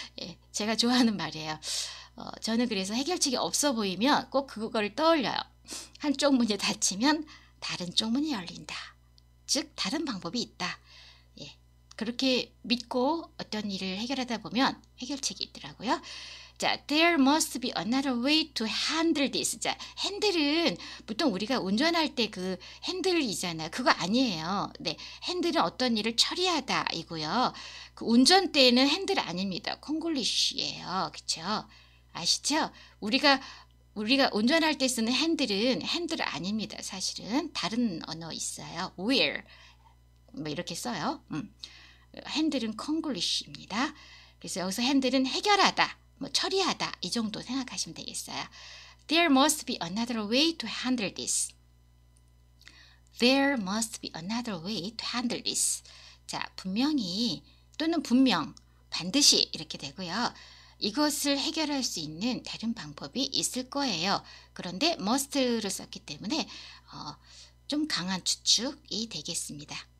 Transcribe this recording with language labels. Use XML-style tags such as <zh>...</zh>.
<ko>예, 제가 좋아하는 말이에요. 저는 그래서 해결책이 없어 보이면 꼭 그걸 떠올려요. 한쪽 문이 닫히면 다른 쪽 문이 열린다. 즉 다른 방법이 있다. 예, 그렇게 믿고 어떤 일을 해결하다 보면 해결책이 있더라고요.</ko> <en>자, there must be another way to handle this.</en> <ko>자, 핸들은 보통 우리가 운전할 때 그 핸들이잖아요. 그거 아니에요. 네, 핸들은 어떤 일을 처리하다 이고요. 그 운전대에는 핸들 아닙니다. 콩글리쉬예요. 그쵸? 아시죠? 우리가 운전할 때 쓰는 핸들은 핸들 아닙니다. 사실은 다른 언어 있어요. wheel 뭐 이렇게 써요. 핸들은 콩글리쉬입니다. 그래서 여기서 핸들은 해결하다. 뭐 처리하다 이 정도 생각하시면 되겠어요.</ko> <en>There must be another way to handle this. There must be another way to handle this.</en> <ko>자, 분명히 또는 분명 반드시 이렇게 되고요. 이것을 해결할 수 있는 다른 방법이 있을 거예요. 그런데 must를 썼기 때문에 좀 강한 추측이 되겠습니다.</ko>